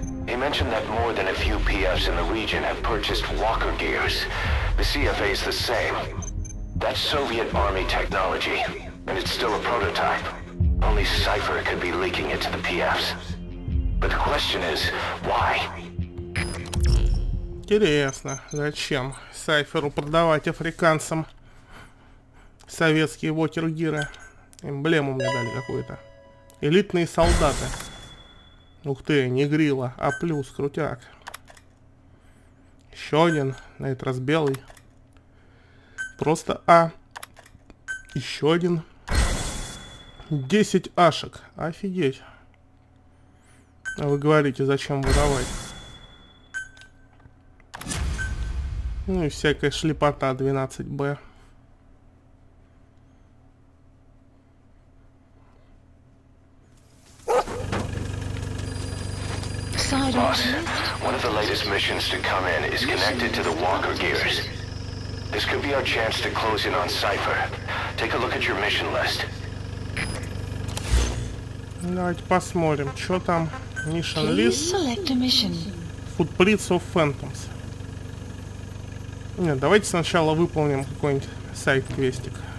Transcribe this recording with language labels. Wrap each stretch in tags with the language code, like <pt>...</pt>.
<en>He mentioned that more than a few PFs in the region have purchased Walker gears. The CFA's the same. That's Soviet Army technology, and it's still a prototype. Only Cypher could be leaking it to the PFs. But the question is, why?</en> <ru>Интересно, зачем Cypher'у продавать африканцам советские вокер-гиры? Эмблему мне дали какую-то. Элитные солдаты. Ух ты, не грила, а плюс, крутяк. Еще один, на этот раз белый. Просто А. Еще один. 10 ашек. Офигеть. А вы говорите, зачем воровать? Ну и всякая шлепота 12Б.</ru> <en>Boss, one of the latest missions to come in is connected to the Walker gears. This could be our chance to close in on Cypher. Take a look at your mission list.</en> <ru>Давайте посмотрим, что там.</ru> <en>Mission List. Footprints of Phantoms.</en> <ru>Нет, давайте сначала выполним какой-нибудь сайт-квестик.</ru>